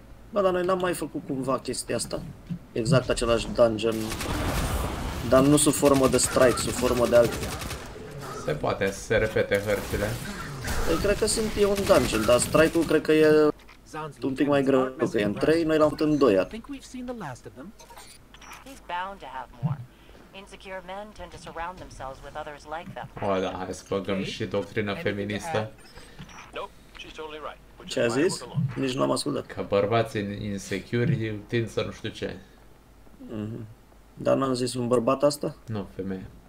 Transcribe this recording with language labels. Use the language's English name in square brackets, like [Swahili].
[Romanian] Bă, dar noi n-am mai făcut cumva chestia asta. Exact același dungeon. Dar nu sub formă de strike, sub formă de altele. Se poate să se repete hărțile. Păi cred că sunt eu în dungeon, dar strike-ul cred că e un pic mai greu, că okay, e în 3, noi l-am făcut în 2. [English] He's bound to have more. Insecure men tend to surround themselves with others like them. [Romanian] O, da, hai să băgăm și doctrina feministă. Ce a zis? Nici nu am ascultat. Că bărbații insecuri tind să nu știu ce. Dar n-am zis un bărbat asta? Nu, femeie.